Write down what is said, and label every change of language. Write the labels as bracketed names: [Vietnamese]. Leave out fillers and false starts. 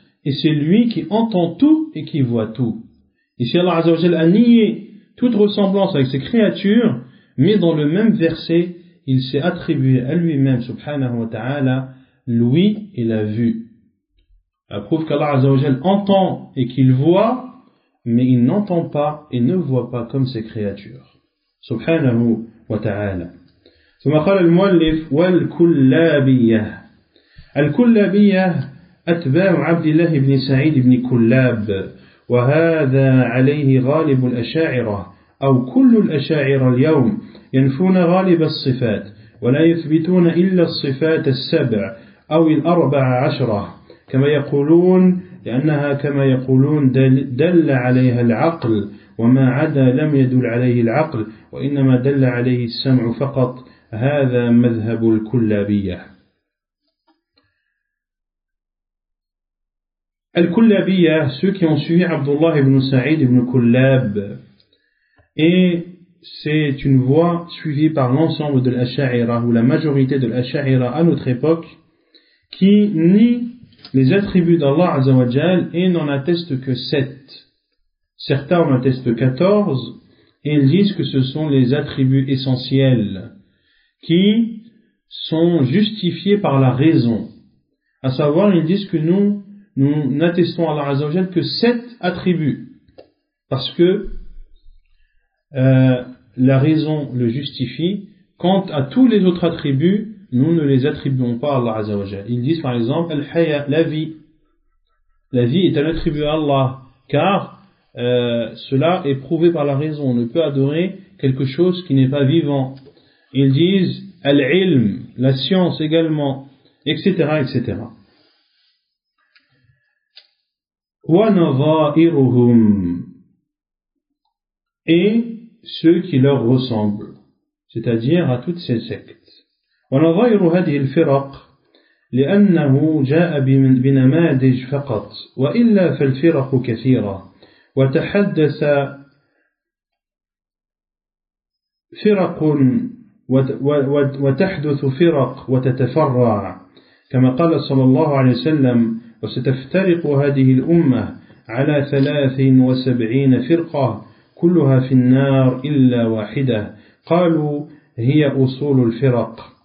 [French] Et c'est lui qui entend tout et qui voit tout. Et si Allah [Arabic] Azza wa Jalla [French] a nié toute ressemblance avec ses créatures, mais dans le même verset, il s'est attribué à lui-même, [Arabic] subhanahu wa ta'ala, [French] l'ouïe et la vue. Ça prouve qu'Allah [Arabic] Azza wa Jalla [French] entend et qu'il voit, mais il n'entend pas et ne voit pas comme ses créatures. [Arabic] Subhanahu wa ta'ala. ثم قال المؤلف والكلابية الكلابية أتباع عبد الله بن سعيد بن كلاب وهذا عليه غالب الأشاعرة أو كل الأشاعرة اليوم ينفون غالب الصفات ولا يثبتون إلا الصفات السبع أو الأربع عشرة كما يقولون لأنها كما يقولون دل عليها العقل وما عدا لم يدل عليه العقل وإنما دل عليه السمع فقط هذا مذهب الكلابية [French] الكلابية ceux qui ont suivi Abdullah ibn Sa'id ibn Kullab et c'est une voie suivie par l'ensemble de l'Asha'ira ou la majorité de l'Asha'ira à notre époque qui nie les attributs d'Allah [Arabic] Azza wa Jal [French] et n'en atteste que 7. Certains en attestent 14 et ils disent que ce sont les attributs essentiels qui sont justifiés par la raison. À savoir, ils disent que nous n'attestons à Allah [Arabic] Azza wa Jal [French] que 7 attributs. Parce que la raison le justifie. Quant à tous les autres attributs, nous ne les attribuons pas à Allah [Arabic] Azza wa Jal. [French] Ils disent par exemple, Al-Haya, la vie. La vie est un attribut à Allah. Car cela est prouvé par la raison. On ne peut adorer quelque chose qui n'est pas vivant. Ils disent « al-ilm », la science également, etc., etc. « [Arabic] Wa nazairuhum [French] » et ceux qui leur ressemblent, c'est-à-dire à toutes ces sectes. [Arabic] « Wa nazairu hadhihi al-firaq »« li'annahu ja'a binamadij faqat »« wa illa fal-firaqu kathira »« wa tahaddasa firaqun » وتحدث فرق وتتفرع كما قال صلى الله عليه وسلم وستفترق هذه الأمة على 73 فرقة كلها في النار إلا واحدة قالوا هي أصول الفرق